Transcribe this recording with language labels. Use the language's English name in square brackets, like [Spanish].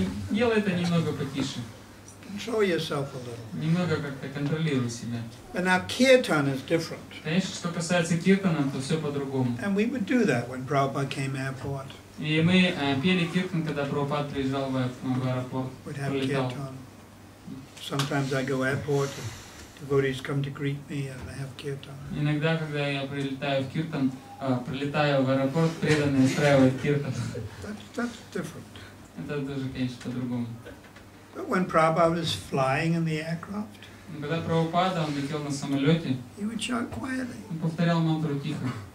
[Russian] Делай это немного потише. [English] Control yourself a little. [Russian] Немного как-то контролируй себя. [English] And now kirtan is different. [Russian] Конечно, что касается киртана, то все по-другому. [English] And we would do that when Prabhupada came airport. [Russian] И мы пели киртан, когда Прабхупада приезжал в аэропорт. [English] We'd have kirtan. Sometimes I go airport, and devotees come to greet me, and I have kirtan. [Russian] Иногда, когда я прилетаю в киртан, прилетаю в аэропорт, преданные устраивают киртан. [English] That's different. [Russian] Это тоже, конечно, по-другому. [English] But when Prabhupada was flying in the aircraft, [Russian] когда Прабхупада он летел на самолете, [English] he would chant quietly. [Russian] Он повторял мантру тихо.